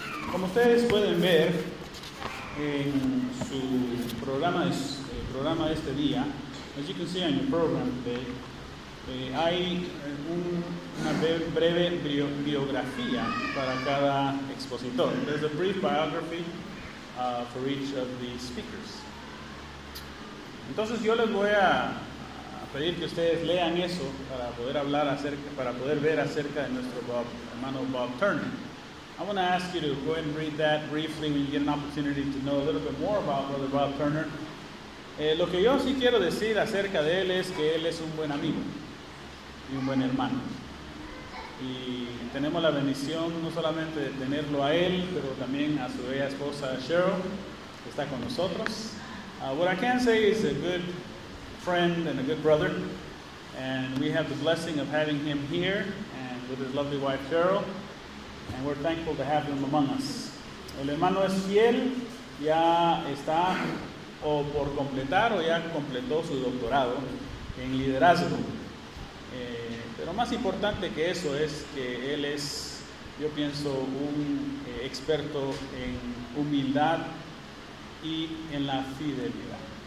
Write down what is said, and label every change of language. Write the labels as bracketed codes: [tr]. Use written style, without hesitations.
[es] Como ustedes pueden ver en su programa, programa de este día, [en] as you can see on your program today, [es] hay una breve biografía para cada expositor. [en] There's a brief biography for each of the speakers. [es] Entonces yo les voy a pedir que ustedes lean eso para poder hablar acerca, para poder ver acerca de nuestro Bob, hermano Bob Turner. [en] I want to ask you to go ahead and read that briefly when you get an opportunity to know a little bit more about brother Bob Turner. [es] Lo que yo sí quiero decir acerca de él es que él es un buen amigo y un buen hermano. Y tenemos la bendición no solamente de tenerlo a él, pero también a su bella esposa Cheryl, que está con nosotros. [en] What I can say is a good friend and a good brother. And we have the blessing of having him here and with his lovely wife Cheryl. And we're thankful to have him among us. [es] El hermano es fiel, ya está o por completar o ya completó su doctorado en liderazgo. Pero más importante que eso es que él es, yo pienso, un experto en humildad y en la fidelidad.